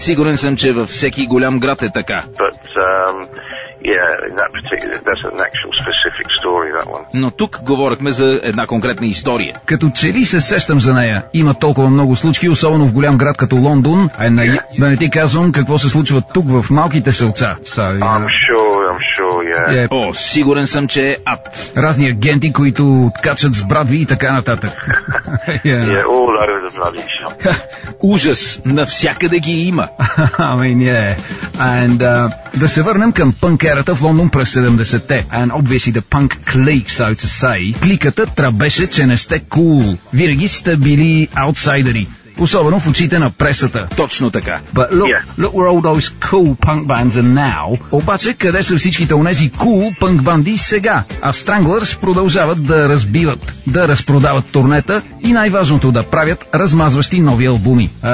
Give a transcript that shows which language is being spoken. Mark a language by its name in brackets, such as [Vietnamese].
[Bulgarian] Сигурен съм, че във всеки голям град е така. [English] But yeah, that particular, that's an actual specific story, that one. [Bulgarian] Но тук говорихме за една конкретна история. Като че ли се сещам за нея? Има толкова много случки, особено в голям град като Лондон, а на... [English] yeah. [Bulgarian] Да не ти казвам какво се случва тук в малките селца. [English] So, I'm sure, yeah. [Bulgarian] Сигурен съм, че е ад. Разни агенти, които откачат с брадви и така нататък. [English] Yeah, all over the bloody shop. [Bulgarian] Ужас, навсякъде ги има. [English] I mean, yeah. [Bulgarian] And да се върнем към пънк в Лондон през 70-те. [English] And obviously the punk clique, so to say. [Bulgarian] Кликата трабеше, че не сте cool. Винаги сте били аутсайдери. Особено в очите на пресата. Точно така. [English] But look where all those cool punk bands are now. [Bulgarian] Обаче къде са всичките онези cool punk банди сега? А Stranglers продължават да разбиват, да разпродават турнета и най-важното да правят размазващи нови албуми.